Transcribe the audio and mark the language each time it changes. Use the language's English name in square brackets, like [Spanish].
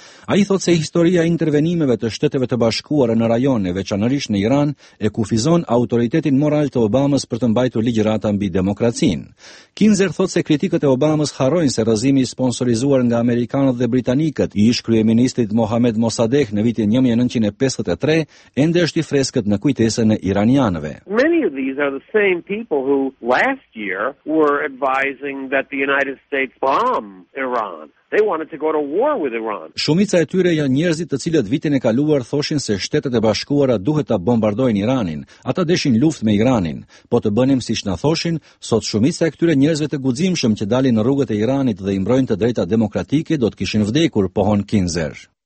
[Albanian] Ai thot se historia e intervenimeve të Shteteve të Bashkuara në rajone, veçanërisht në Iran, e kufizon autoritetin moral të Obamës për të mbajtur ligjërat mbi demokracinë. Kinzer thot se kritikët e Obamës harrojnë se rrëzimi i sponsorizuar nga amerikanët dhe britanikët i ish kryeministit Mohammed Mossadegh në vitin 1953 ende është i freskët në kujtesën e iranianëve. [English] Many of these are the same people who last year were advising that the United States bomb Iran. They wanted to go to war with Iran. [Albanian] Shumica e tyre janë njerëzit të cilët vitin e kaluar thoshin se Shtetet e Bashkuara duhet ta bombardojnë Iranin. Ata deshin luftë me Iranin. Po të bënim siç na thoshin, sot shumica e këtyre njerëzve të guximshëm që dalin në rrugët e Iranit dhe i mbrojnë të drejtat demokratike do të kishin vdekur, pohon Kinzer.